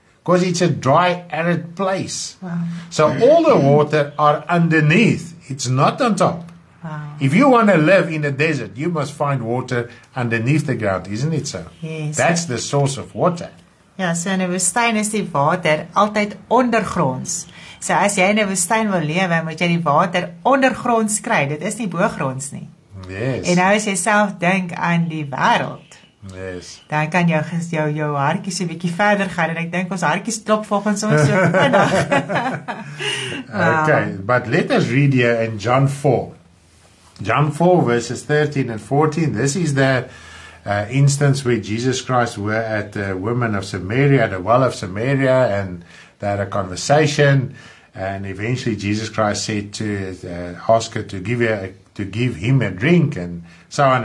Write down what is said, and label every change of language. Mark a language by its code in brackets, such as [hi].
[en] Because it's a dry, arid place. Wow. So all the water are underneath. It's not on top. Wow. If you want to live in a desert, you must find water underneath the ground. Isn't it so? Yes. That's the source of water. [af] Ja, so in die woestijn is die water altyd ondergronds. So as jy in die woestijn wil lewe, moet jy die water ondergronds kry. Dit is nie boogronds nie. [en] Yes. [af] En nou as jy self dink aan die wêreld, [en] yes. [af] Dan kan jou hartjie so 'n bietjie verder gaan en ek dink ons hartjies klop volgens ons so vinnig. [en] Okay, but let us read here in John 4. John 4 verses 13 and 14. This is the instance where Jesus Christ were at the woman of Samaria, at the well of Samaria, and they had a conversation, and eventually Jesus Christ said to ask her to give him a drink, and so on.